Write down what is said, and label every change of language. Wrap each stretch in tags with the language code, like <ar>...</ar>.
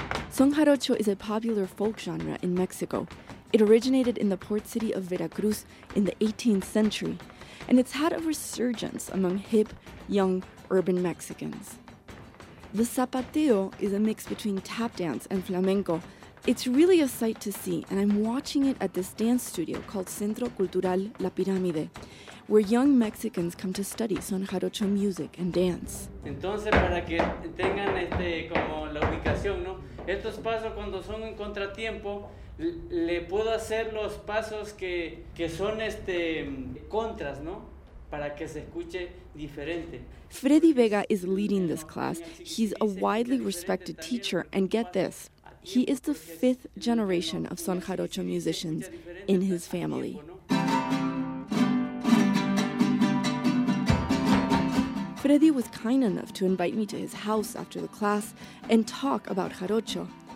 <en>Son Jarocho is a popular folk genre in Mexico. It originated in the port city of Veracruz in the 18th century, and it's had a resurgence among hip, young, urban Mexicans. The zapateo is a mix between tap dance and flamenco. It's really a sight to see, and I'm watching it at this dance studio called Centro Cultural La Pirámide, where young Mexicans come to study Son Jarocho music and dance.</en> <es>Entonces, para que tengan este, como la ubicación, ¿no? Estos pasos, cuando son en contratiempo, le puedo hacer los pasos que son este, contras, ¿no? Para que se escuche diferente.</es> <en>Freddy Vega is leading this class. He's a widely respected teacher, and get this, he is the fifth generation of Son Jarocho musicians in his family. Freddy was kind enough to invite me to his house after the class and talk about Jarocho.</en>